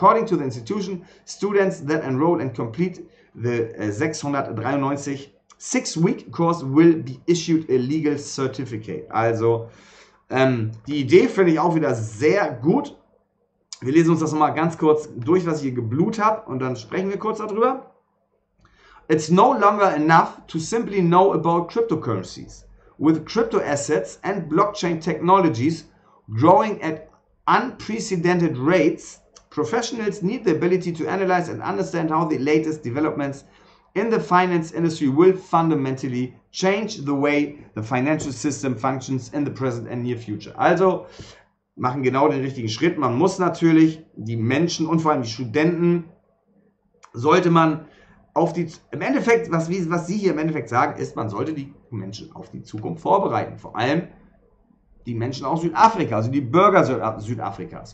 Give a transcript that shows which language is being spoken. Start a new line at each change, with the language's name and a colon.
English: According to the institution, students that enroll and complete the 693 six-week course will be issued a legal certificate.
German: Also, die Idee finde ich auch wieder sehr gut. Wir lesen uns das nochmal ganz kurz durch, was ich hier geblutet habe, und dann sprechen wir kurz darüber.
English: It's no longer enough to simply know about cryptocurrencies. With crypto assets and blockchain technologies growing at unprecedented rates, professionals need the ability to analyze and understand how the latest developments in the finance industry will fundamentally change the way the financial system functions in the present and near future.
German: Also, machen genau den richtigen Schritt. Man muss natürlich die Menschen und vor allem die Studenten, sollte man auf die, im Endeffekt, was sie hier im Endeffekt sagen, ist, man sollte die Menschen auf die Zukunft vorbereiten. Vor allem die Menschen aus Südafrika, also die Bürger Südafrikas.